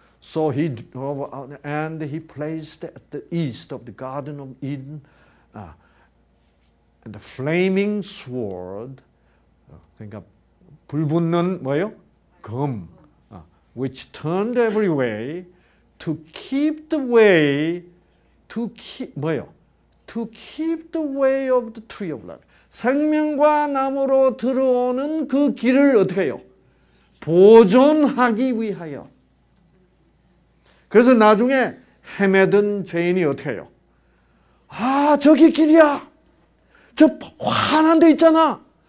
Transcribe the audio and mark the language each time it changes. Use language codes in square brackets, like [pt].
[en] So he drove out and he placed at the east of the Garden of Eden and the flaming sword. [ko] 그러니까 불 붙는 뭐예요? 검. [en] Which turned every way to keep the way to keep [ko] 뭐예요? [en] To keep the way of the tree of life. [ko] 생명과 나무로 들어오는 그 길을 어떻게 해요? 보존하기 위하여. 그래서 나중에 헤매던 죄인이 어떻게 해요? 아, 저기 길이야. 저 환한 데 있잖아.